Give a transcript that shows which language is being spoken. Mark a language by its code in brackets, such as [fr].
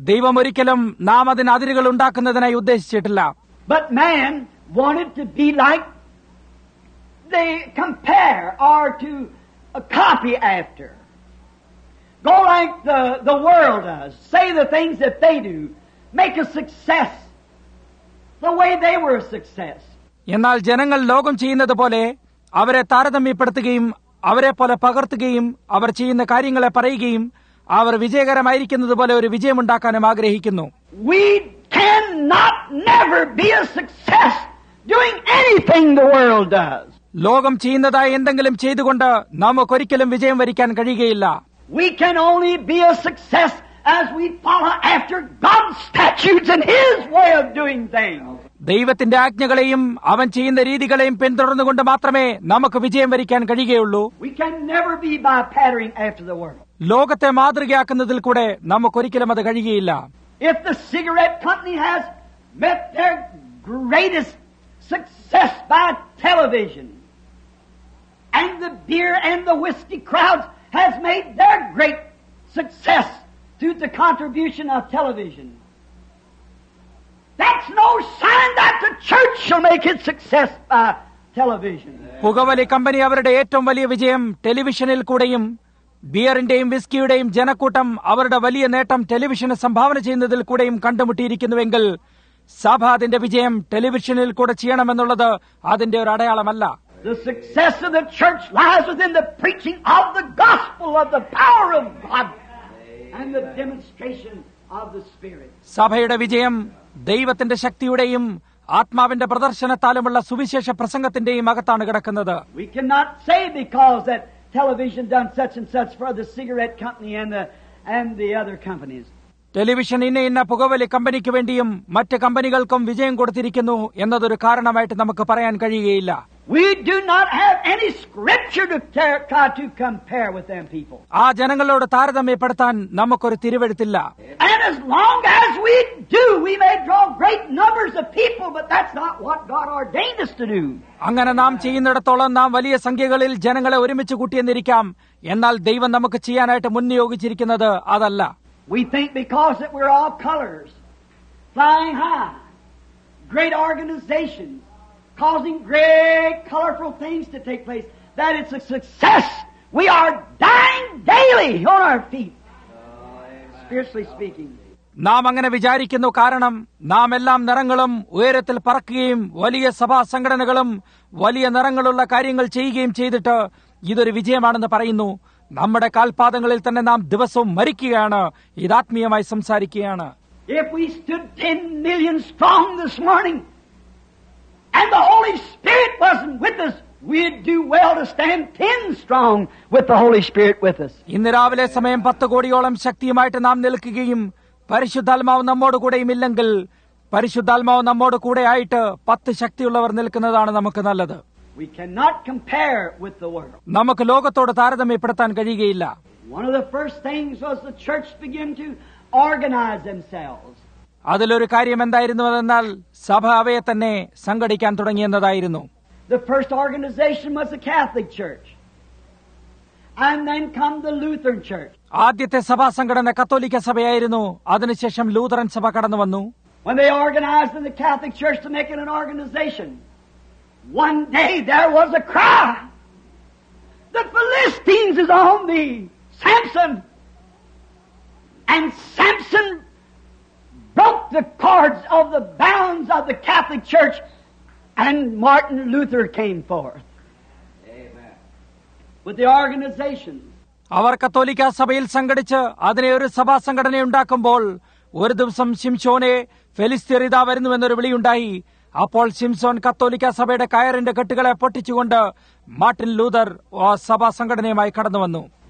[ml] ദൈവം ഒരിക്കലും നാം അതിന് അതിരുകൾ ഉണ്ടാക്കുന്നതിനായി ഉദ്ദേശിച്ചിട്ടില്ല. [en] But man wanted to be like they compare or to a copy after. Go like the world does. Say the things that they do. Make a success the way they were a success. [ml] എന്നാൽ ജനങ്ങൾ ലോകം ചെയ്യുന്നത് പോലെ അവരെ താരതമ്യപ്പെടുത്തുകയും അവരെ പോലെ പകർത്തുകയും അവർ ചെയ്യുന്ന കാര്യങ്ങളെ പറയുകയും അവർ വിജയകരമായിരിക്കുന്നത് പോലെ ഒരു വിജയമുണ്ടാക്കാനും ആഗ്രഹിക്കുന്നു. [en] We cannot never be a success doing anything the world does. [ml] ലോകം ചെയ്യുന്നതായ എന്തെങ്കിലും ചെയ്തുകൊണ്ട് നമുക്കൊരിക്കലും വിജയം വരിക്കാൻ കഴിയുകയില്ല. [en] We can only be a success as we follow after God's statutes and his way of doing things. [ml] ദൈവത്തിന്റെ ആജ്ഞകളെയും അവൻ ചെയ്യുന്ന രീതികളെയും പിന്തുടർന്നുകൊണ്ട് മാത്രമേ നമുക്ക് വിജയം വരിക്കാൻ കഴിയുകയുള്ളൂ. [en] We can never be by pattering after the world. [ml] ലോകത്തെ മാതൃകയാക്കുന്നതിൽ കൂടെ നമുക്കൊരിക്കലും അത് കഴിയുകയില്ല. [en] If the cigarette company has met their greatest success by television, and the beer and the whiskey crowds has made their great success through the contribution of television, That's no sign that the church shall make its success by television. [ml] പുകവലി company അവരുടെ ഏറ്റവും വലിയ വിജയം ടെലിവിഷനിൽ കൂടെയും ബിയറിന്റെയും വിസ്കിയുടെയും ജനക്കൂട്ടം അവരുടെ വലിയ നേട്ടം ടെലിവിഷന് സംഭാവന ചെയ്യുന്നതിൽ കൂടെയും കണ്ടുമുട്ടിയിരിക്കുന്നുവെങ്കിൽ സഭ അതിന്റെ വിജയം ടെലിവിഷനിൽ കൂടെ ചെയ്യണമെന്നുള്ളത് അതിന്റെ ഒരു അടയാളമല്ല. [en] The success of the church lies within the preaching of the gospel of the power of God and the demonstration of the Spirit. [ml] സഭയുടെ വിജയം ദൈവത്തിന്റെ ശക്തിയുടെയും ആത്മാവിന്റെ പ്രദർശനത്താലുമുള്ള സുവിശേഷ പ്രസംഗത്തിന്റെയും അകത്താണ് കിടക്കുന്നത്. [en] We cannot say because that television done such and such for the cigarette company and the other companies. [ml] Television ഇന്ന ഇന്ന പുകവലി കമ്പനിക്ക് വേണ്ടിയും മറ്റ് കമ്പനികൾക്കും വിജയം കൊടുത്തിരിക്കുന്നു എന്നതൊരു കാരണമായിട്ട് നമുക്ക് പറയാൻ കഴിയുകയില്ല. [en] We do not have any scripture to compare with them people. [ml] ആ ജനങ്ങളോട് താരതമ്യപ്പെടുത്താൻ നമുക്കൊരു തിരിവെഴുത്തില്ല. [en] And as long as we do, we may draw great numbers of people, but that's not what God ordained us to do. [ml] അങ്ങനെ നാം ചെയ്യുന്നിടത്തോളം നാം വലിയ സംഖ്യകളിൽ ജനങ്ങളെ ഒരുമിച്ച് കൂട്ടിയെന്നിരിക്കാം. എന്നാൽ ദൈവം നമുക്ക് ചെയ്യാനായിട്ട് മുൻനിയോഗിച്ചിരിക്കുന്നത് അതല്ല. [en] We think because that we're all colors, flying high, great organizations, causing great colorful things to take place, that it's a success. We are dying daily on our feet, spiritually speaking. [ml] നാം അങ്ങനെ വിചാരിക്കുന്നു കാരണം നാം എല്ലാം നിറങ്ങളും ഉയരത്തിൽ പറക്കുകയും വലിയ സഭാ സംഘടനകളും വലിയ നിറങ്ങളുള്ള കാര്യങ്ങൾ ചെയ്യുകയും ചെയ്തിട്ട് ഇതൊരു വിജയമാണെന്ന് പറയുന്നു. നമ്മുടെ കാൽപാദങ്ങളിൽ തന്നെ നാം ദിവസവും മരിക്കുകയാണ്, ഇതാത്മീയമായി സംസാരിക്കുകയാണ്. [en] If we stood 10 million strong this morning and the Holy Spirit wasn't with us, we'd do well to stand 10 strong with the Holy Spirit with us. [ml] ഇന്ന് രാവിലെ സമയം 10 കോടിയോളം ശക്തിയുമായിട്ട് നാം നിൽക്കുകയും പരിശുദ്ധാത്മാവ് നമ്മോട് കൂടെയുമില്ലെങ്കിൽ പരിശുദ്ധാത്മാവ് നമ്മോട് കൂടെ ആയിട്ട് 10 ശക്തിയുള്ളവർ നിൽക്കുന്നതാണ് നമുക്ക് നല്ലത്. [en] We cannot compare with the world. [ml] നമുക്ക് ലോകത്തോട് താരതമ്യപ്പെടുത്താൻ കഴിയുകയില്ല. [en] One of the first things was the church began to organize themselves. [ml] അതിലൊരു കാര്യം എന്തായിരുന്നു എന്നാൽ സഭ അവയെ തന്നെ സംഘടിക്കാൻ തുടങ്ങിയെന്നതായിരുന്നു. [en] The first organization was the Catholic Church. And then come the Lutheran Church. [ml] ആദ്യത്തെ സഭാ സംഘടന കത്തോലിക്ക സഭയായിരുന്നു. അതിനുശേഷം ലൂഥറൻ സഭ കടന്നു വന്നു. [en] When they organized in the Catholic Church to make it an organization, one day there was a cry. The Philistines is on thee, Samson. And Samson broke the cords of the bounds of the Catholic Church, and Martin Luther came forth. Amen. With the organization. [ml] അവർ കത്തോലിക്ക സഭയിൽ സംഘടിച്ച് അതിനെ ഒരു സഭാ സംഘടന ഉണ്ടാക്കുമ്പോൾ ഒരു ദിവസം ശിംശോനെ ഫെലിസ്തീയരിതാ വരുന്നുവെന്നൊരു വിളിയുണ്ടായി. അപ്പോൾ ശിംശോൻ കത്തോലിക്ക സഭയുടെ കയറിന്റെ കെട്ടുകളെ പൊട്ടിച്ചുകൊണ്ട് മാർട്ടിൻ ലൂതർ ആ സഭാ സംഘടനയുമായി കടന്നു വന്നു.